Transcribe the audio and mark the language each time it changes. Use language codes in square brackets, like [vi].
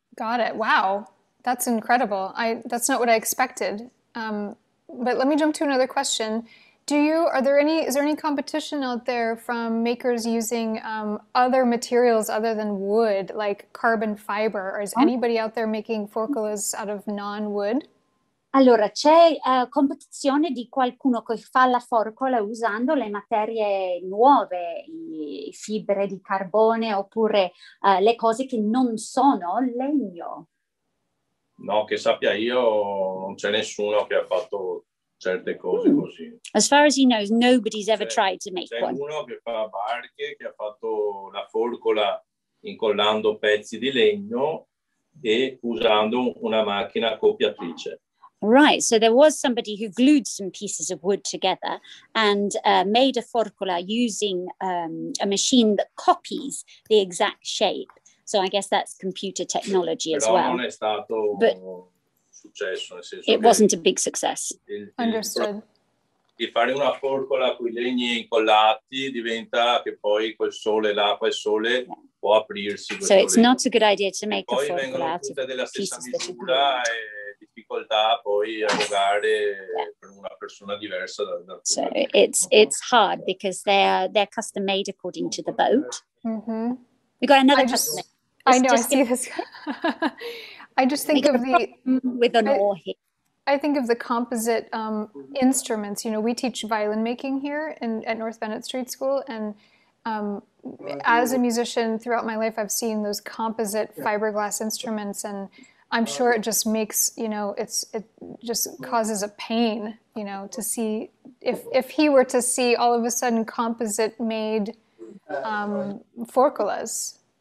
[en] Got it. Wow. That's incredible. That's not what I expected. But let me jump to another question. Is there any competition out there from makers using other materials other than wood, like carbon fiber? Or is anybody out there making forcolas out of non-wood? [it] Allora, c'è competizione di qualcuno che fa la forcola usando le materie nuove, i fibre di carbone oppure le cose che non sono legno? No, che sappia io, non c'è nessuno che ha fatto certe cose così. [en] As far as he knows, nobody's ever tried to make one. [it] C'è uno che fa barche, che ha fatto la forcola incollando pezzi di legno e usando una macchina accoppiatrice. [en] Right, so there was somebody who glued some pieces of wood together and made a forcola using a machine that copies the exact shape. So I guess that's computer technology as well. [it] Però non è stato un successo, nel senso [en] it wasn't a big success. Understood. [it] Di fare una forcola con i legni incollati diventa che poi col sole, l'acqua e il sole può aprirsi. [en] So it's not a good idea to make a forcola out of pieces that are made. [it] Difficoltà poi a rogare per una persona diversa da [en] so it's hard because they're custom made according to the boat. Mm-hmm. We got another customer. I know, I see this. I just think of the with an oar here. I think of the composite instruments. You know, we teach violin making here at North Bennett Street School, and as a musician throughout my life, I've seen those composite fiberglass instruments, and I'm sure it just makes, you know, it just causes a pain, you know, to see if he were to see all of a sudden composite made forcolas.